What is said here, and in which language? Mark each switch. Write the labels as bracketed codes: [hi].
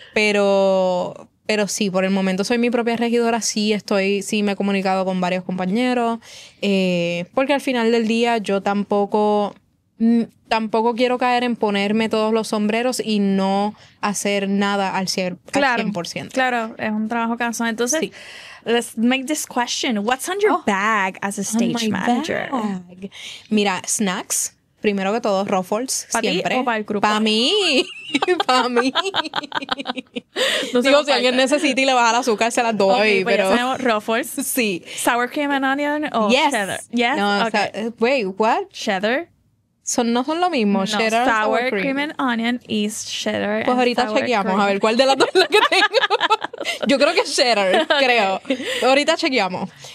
[es] Pero sí, por el momento soy mi propia regidora. Sí me he comunicado con varios compañeros. Porque al final del día yo tampoco quiero caer en ponerme todos los sombreros y no hacer nada al 100%. Claro, es un trabajo cansado. Entonces, sí. [en] Let's make this question. What's on your bag as a stage manager? Bag. [es] Mira, snacks. Primero que todo, Ruffles, ¿pa siempre. ¿Para ti o para el grupo? Para mí. Para mí. No digo, si alguien necesita y le baja el azúcar, se las doy. Okay, pues pero tenemos Ruffles. Sí. [en] ¿Sour cream and onion o cheddar? Yes. No, okay. Wait, what? Cheddar. [es] No son lo mismo. [en] No, cheddar sour, sour cream and onion is cheddar. [es] Pues ahorita chequeamos cream. A ver cuál de las dos es la que tengo. Yo creo que es cheddar, creo. Ahorita chequeamos.